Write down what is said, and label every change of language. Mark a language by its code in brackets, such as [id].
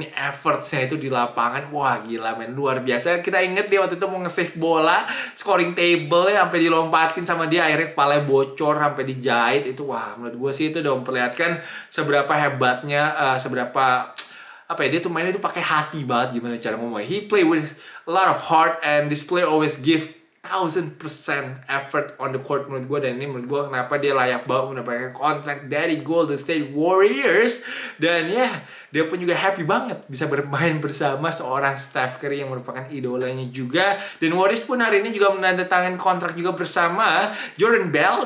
[id] Ini effortsnya itu di lapangan, wah, gila, man, luar biasa. Kita inget dia waktu itu mau nge-save bola, scoring table-nya sampai dilompatin sama dia, akhirnya kepalanya bocor, sampai dijahit. Itu, wah, menurut gue sih itu udah memperlihatkan seberapa hebatnya, seberapa... apa ya, dia tuh mainnya tuh pakai hati banget gimana cara ngomongnya. [en] He play with a lot of heart and this player always give 1000% effort on the court [id] menurut gue. Dan ini menurut gue kenapa dia layak banget mendapatkan kontrak dari Golden State Warriors. Dan ya, yeah, dia pun juga happy banget bisa bermain bersama seorang Steph Curry yang merupakan idolanya juga. Dan Warriors pun hari ini juga menandatangani kontrak juga bersama Jordan Bell.